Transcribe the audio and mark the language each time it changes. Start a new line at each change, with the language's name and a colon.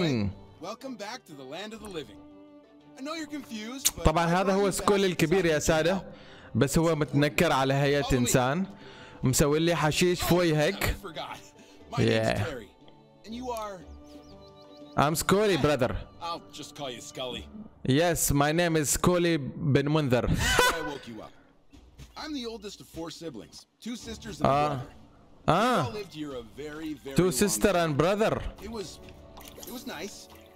English: Anyway, welcome back to the land of the living. I know you're confused, but
Arabic: طبعا هذا هو سكول الكبير يا سادة، بس هو متنكر على هيئة انسان، مسوي لي حشيش فوي هيك.
English: Yeah. And you are I'm Scully, brother. I'll just call you Scully. Yes, my name is Scully Bin Munther. I woke you up. I'm the oldest of four siblings. Two sisters and a brother. We all lived here a very, very two sister and brother. It was nice.